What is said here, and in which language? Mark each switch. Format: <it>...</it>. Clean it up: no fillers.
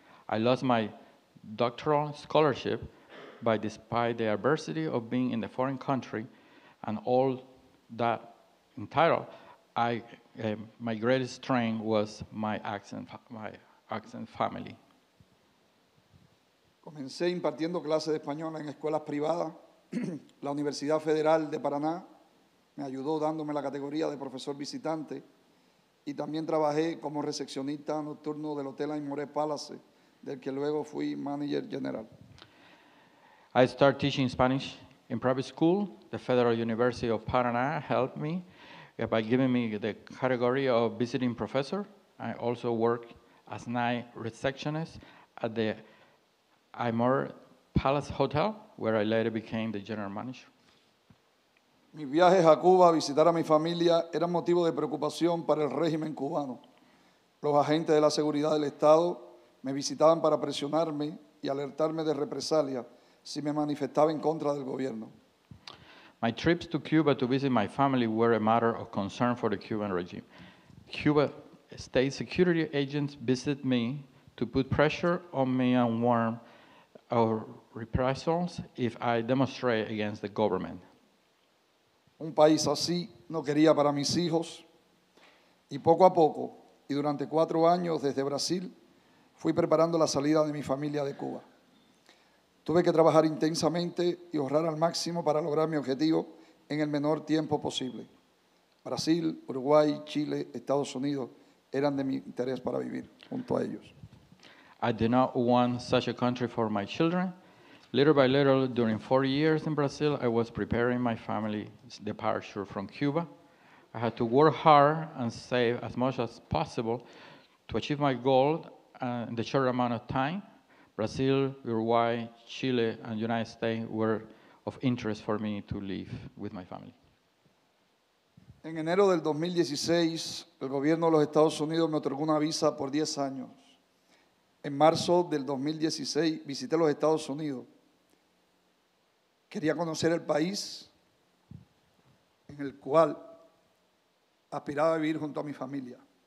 <en>I lost my doctoral scholarship, but despite the adversity of being in the foreign country, and all that entitled, my greatest strength was my accent family.</en> <es>Comencé impartiendo clases de español en escuelas privadas. La Universidad Federal de Paraná me ayudó dándome la categoría de profesor visitante y también trabajé como recepcionista nocturno del hotel Amaurys Palace, del que luego fui manager general.</es> <en>I started teaching Spanish in private school. The Federal University of Paraná helped me by giving me the category of visiting professor. I also worked as night receptionist at the Amaurys Palace Hotel, where I later became the general manager.</en> <es>Mis viajes a Cuba a visitar a mi familia eran motivo de preocupación para el régimen cubano. Los agentes de la seguridad del Estado me visitaban para presionarme y alertarme de represalias si me manifestaba en contra del gobierno.</es> <en>My trips to Cuba to visit my family were a matter of concern for the Cuban regime. Cuba state security agents visited me to put pressure on me and warn of reprisals if I demonstrate against the government.</en> <es>Un país así no quería para mis hijos. Y poco a poco, y durante 4 años desde Brasil, fui preparando la salida de mi familia de Cuba. Tuve que trabajar intensamente y ahorrar al máximo para lograr mi objetivo en el menor tiempo posible. Brasil, Uruguay, Chile, Estados Unidos eran de mi interés para vivir junto a ellos.</es> <en>I did not want such a country for my children. Little by little, during 4 years in Brazil, I was preparing my family's departure from Cuba. I had to work hard and save as much as possible to achieve my goal in the short amount of time. Brazil, Uruguay, Chile, and United States were of interest for me to leave with my family.</en> <es>En enero del 2016, el gobierno de los Estados Unidos me otorgó una visa por 10 años. En marzo del 2016, visité los Estados Unidos. Quería conocer el país en el cual aspiraba a vivir junto a mi familia.</es>